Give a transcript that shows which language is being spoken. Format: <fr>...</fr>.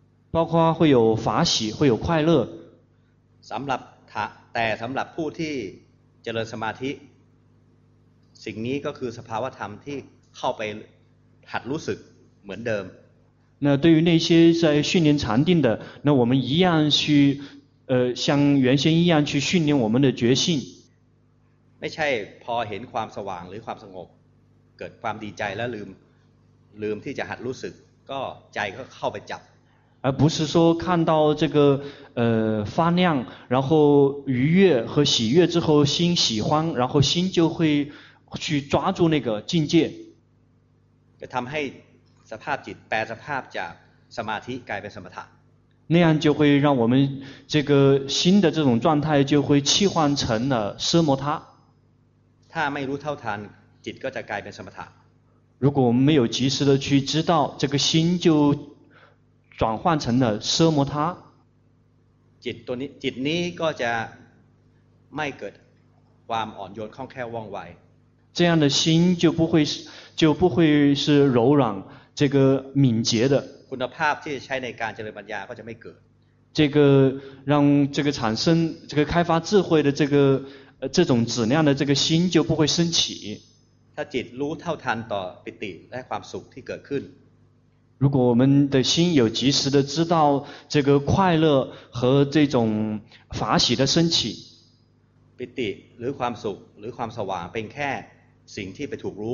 <zh>包括会有法喜会有快乐</zh> <th>สำหรับแต่สำหรับผู้ที่เจริญสมาธิสิ่งนี้ก็คือสภาวะธรรมที่เข้าไปหัดรู้สึกเหมือนเดิม</th> <zh>那对于那些在训练禅定的那我们一样去像原先一样去训练我们的觉性</zh> <th>ไม่ใช่พอเห็นความสว่างหรือความสงบเกิดความดีใจแล้วลืมที่จะหัดรู้สึกก็ใจก็เข้าไปจับ</th> <zh>而不是说看到这个发亮然后愉悦和喜悦之后心喜欢然后心就会去抓住那个境界</zh> <th>就ทำให้สภาพจิตแปลสภาพจากสมาธิกลายเป็นสมถะ</th> <zh>那样就会让我们这个心的这种状态就会切换成了奢摩他</zh> <th>ถ้าไม่รู้เท่าทันจิตก็จะกลายเป็นสมถะ</th> <zh>如果我们没有及时的去知道这个心就转换成了奢摩他</zh> <th>จิตตัวนี้จิตนี้ก็จะไม่เกิดค ความอ่อนโยนคล่องแคล่วว่องไว</th> <zh>这样的心就不会是柔软这个敏捷的</zh> <th>คุณภาพที่ใช้ในการเจริญปัญญาก็จะไม่เกิด</th> <zh>这个让这个产生这个开发智慧的这个这种质量的这个心就不会升起</zh> <th>ถ้าจิตรู้เท่าทันต่อปิติและความสุขที่เกิดขึ้น</th> <zh>如果我们的心有及时的知道这个快乐和这种法喜的升起</zh> <th>ปิติหรือความสุขหรือความสว่างเป็นแค่สิ่งที่ไปถูกรู</th>